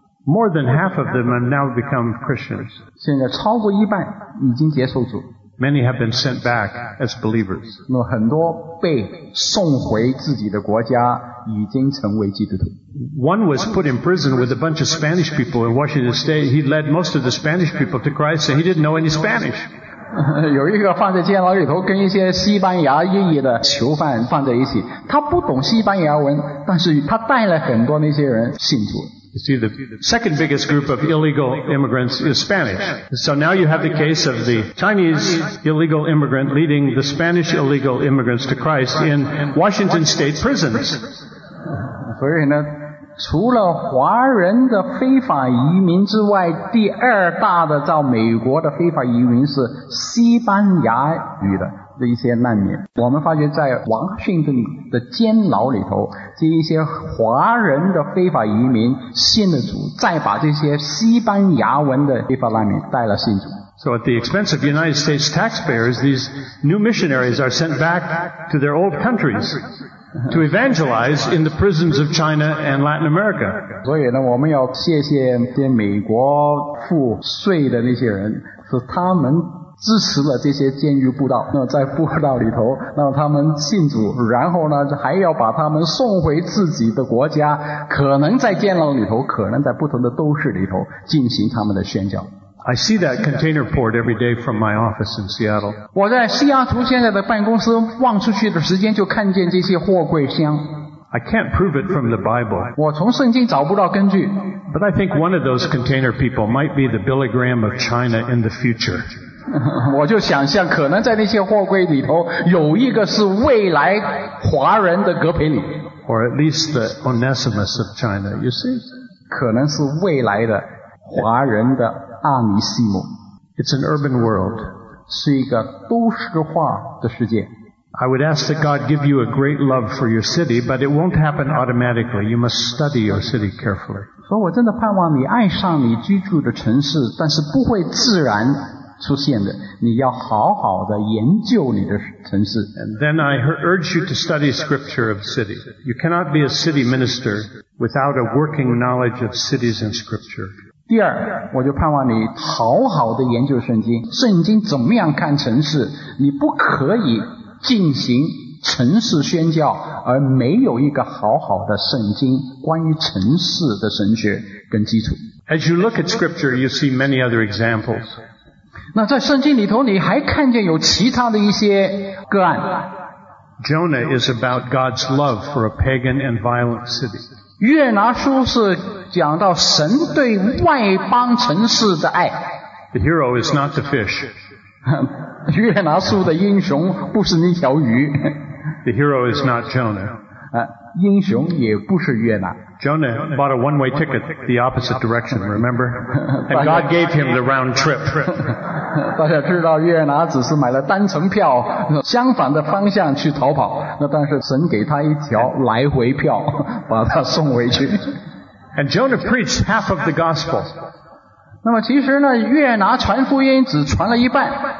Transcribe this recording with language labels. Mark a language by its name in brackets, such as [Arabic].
[English] More than half of them have now become Christians. [Chinese] 现在超过一半已经接受主。 [English] Many have been sent back as believers. [Chinese] 那很多被送回自己的国家已经成为基督徒。 [English] One was put in prison with a bunch of Spanish people in Washington State. He led most of the Spanish people to Christ and he didn't know any Spanish. [Chinese] 有一个放在监牢里头跟一些西班牙裔的囚犯放在一起，他不懂西班牙文，但是他带了很多那些人信主。 [English] You see, the second biggest group of illegal immigrants is Spanish. So now you have the case of the Chinese illegal immigrant leading the Spanish illegal immigrants to Christ in Washington State prisons. [Chinese] 所以呢，除了华人的非法移民之外，第二大的到美国的非法移民是西班牙语的这一些难民。我们发觉在华盛顿的监牢里头，这一些华人的非法移民信了主，再把这些西班牙文的非法难民带了信主。 [English] So at the expense of United States taxpayers, these new missionaries are sent back to their old countries to evangelize in the prisons of China and Latin America. [Chinese] 所以呢，我们要谢谢这美国付税的那些人，是他们支持了这些监狱布道，那在布道里头让他们信主，然后呢还要把他们送回自己的国家，可能在监牢里头，可能在不同的都市里头进行他们的宣教。 [English] I see that container port every day from my office in Seattle. [Chinese] 我在西雅图现在的办公室望出去的时间就看见这些货柜箱。 [English] I can't prove it from the Bible. [Chinese] 我从圣经找不到根据。 [English] But I think one of those container people might be the Billy Graham of China in the future. [Chinese] 我就想象可能在那些货柜里头有一个是未来华人的格培里。 [English] Or at least the Onesimus of China, you see? [Chinese] 可能是未来的华人的阿尼西姆。 [English] It's an urban world. [Chinese] 是一个都市化的世界。 [English] I would ask that God give you a great love for your city, but it won't happen automatically. You must study your city carefully. [Chinese] 所以我真的盼望你爱上你居住的城市，但是不会自然出现的。你要好好的研究你的城市。 [English] And then I urge you to study scripture of city. You cannot be a city minister without a working knowledge of cities and scripture. [Chinese] 第二，我就盼望你好好的研究圣经。圣经怎么样看城市？你不可以进行城市宣教而没有一个好好的圣经关于城市的神学跟基础。 [English] As you look at scripture, you see many other examples. [Chinese] 那在圣经里头，你还看见有其他的一些个案。 [English] Jonah is about God's love for a pagan and violent city. [Chinese] 约拿书是讲到神对外邦城市的爱。 [English] The hero is not the fish. [Chinese] 约拿书的英雄不是那条鱼。 [English] The hero is not Jonah. [Chinese] 英雄也不是约拿。 [English] Jonah bought a one-way ticket the opposite direction, remember? And God gave him the round trip. [Chinese] 大家知道约拿只是买了单程票，相反的方向去逃跑，那但是神给他一条来回票，把他送回去。 [English] And Jonah preached half of the gospel. [Chinese] 那么其实呢，约拿传福音只传了一半。